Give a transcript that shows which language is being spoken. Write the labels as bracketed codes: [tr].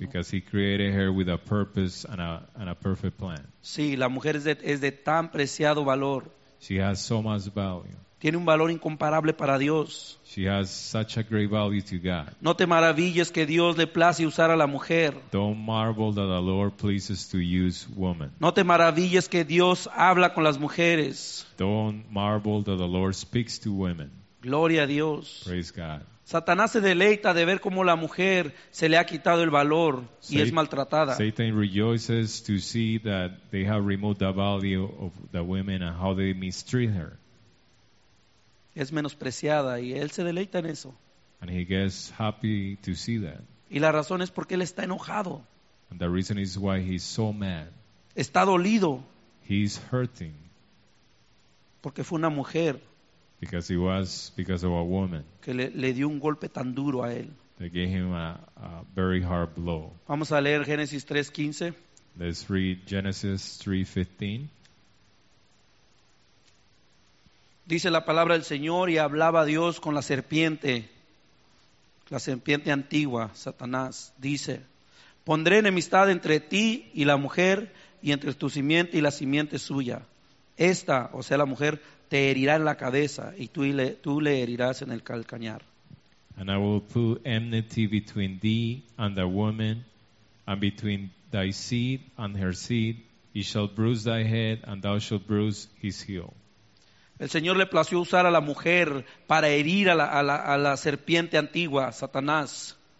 [en] Because he created her with a purpose and a perfect plan. [es] Sí, la mujer es de tan preciado valor. [en] She has so much value. [es] Tiene un valor incomparable para Dios. [en] She has such a great value to God. [es] No te maravilles que Dios le place usar a la mujer. [en] Don't marvel that the Lord pleases to use woman. [es] No te maravilles que Dios habla con las mujeres. [en] Don't marvel that the Lord speaks to women. [es] Gloria a Dios. [en] Praise God. [es] Satanás se deleita de ver cómo la mujer se le ha quitado el valor y es maltratada. [en] Satan rejoices to see that they have removed the value of the women and how they mistreat her. [es] Es menospreciada y él se deleita en eso. [en] And he gets happy to see that. [es] Y la razón es porque él está enojado. [en] And the reason is why he's so mad. [es] Está dolido. [en] He's hurting. [es] Porque fue una mujer. [en] Because he was because of a woman. [es] Que le dio un golpe tan duro a él. [en] That gave him a very hard blow. [es] Vamos a leer Génesis 3:15. [en] Let's read Genesis 3:15. [es] Dice la palabra del Señor y hablaba Dios con la serpiente antigua, Satanás. Dice, pondré enemistad entre ti y la mujer y entre tu simiente y la simiente suya. Esta, o sea la mujer, te herirá en la cabeza y tú le herirás en el calcañar. [en] And I will put enmity between thee and the woman and between thy seed and her seed. He shall bruise thy head and thou shalt bruise his heel. [es] El Señor le plació usar a la mujer para herir a la serpiente antigua, Satanás.